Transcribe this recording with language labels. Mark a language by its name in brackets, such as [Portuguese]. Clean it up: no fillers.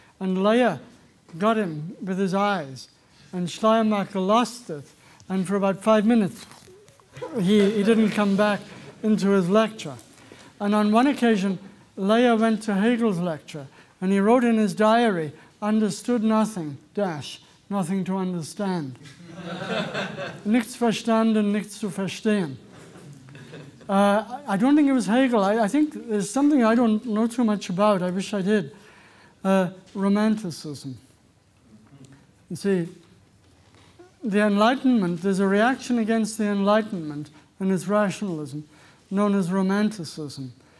[English] And Leia got him with his eyes, and Schleiermacher lost it. And for about 5 minutes, he didn't come back into his lecture. And on one occasion, Leia went to Hegel's lecture, and he wrote in his diary, "Understood nothing, nothing to understand." [German] Nichts verstanden, nichts zu verstehen. [English] I don't think it was Hegel. I think there's something I don't know too much about. I wish I did. Romanticism. You see, the Enlightenment, there's a reaction against the Enlightenment and its rationalism known as Romanticism.